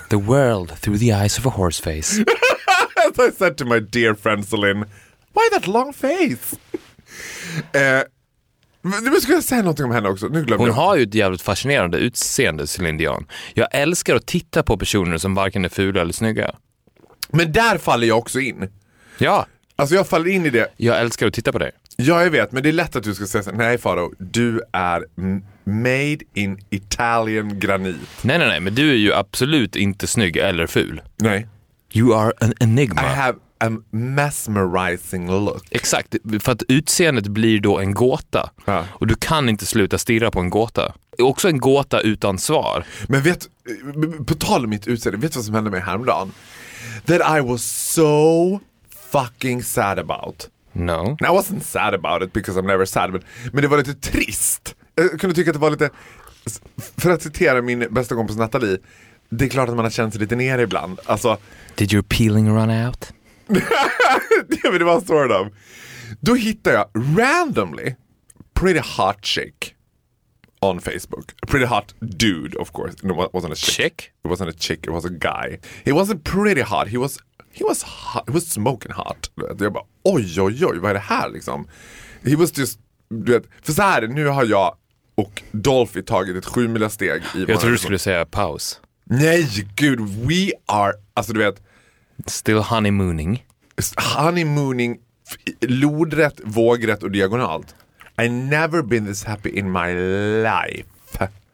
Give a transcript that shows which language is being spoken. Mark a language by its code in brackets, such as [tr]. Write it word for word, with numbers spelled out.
[en] The world through the eyes of a horse face. As I said to my dear friend Celine, why that long face? [sv] eh, nu ska jag säga någonting om henne också. Nu glömde hon jag. Har ju ett jävligt fascinerande utseende, Celine Dion. Jag älskar att titta på personer som varken är fula eller snygga. Men där faller jag också in. Ja. Alltså jag faller in i det. Jag älskar att titta på dig. Ja, jag vet, men det är lätt att du ska säga så. Nej, Faro, du är [en] made in Italian granit. [sv] Nej, nej, nej, men du är ju absolut inte snygg eller ful. Nej. [en] You are an enigma. I have a mesmerizing look. [sv] Exakt, för att utseendet blir då en gåta. Ja. Och du kan inte sluta stirra på en gåta. Också en gåta utan svar. Men vet, på tal om mitt utseende, vet du vad som hände med mig häromdagen? [en] That I was so fucking sad about. No. I wasn't sad about it because I'm never sad, but, [sv] men det var lite trist. Jag kunde tycka att det var lite, för att citera min bästa kompis Nathalie, det är klart att man har känt sig lite nere ibland. Alltså, [en] did your peeling run out? [sv] Ja, men det var [en] sort of. [sv] Då hittade jag [en] randomly pretty hot chick on Facebook. A pretty hot dude, of course. No, it wasn't a chick. chick. It wasn't a chick, it was a guy. He wasn't pretty hot, he was He was hot. He was smoking hot. [sv] Jag bara, oj, oj, oj, vad är det här liksom? [en] He was just, [sv] du vet, för så här, nu har jag och Dolphy tagit ett sju mila steg. [en] I [sv] jag tror du skulle säga paus. Nej, gud, [en] we are, [sv] alltså du vet. [en] Still honeymooning. [sv] Honeymooning, lodrätt, vågrätt och diagonalt. [en] I never been this happy in my life.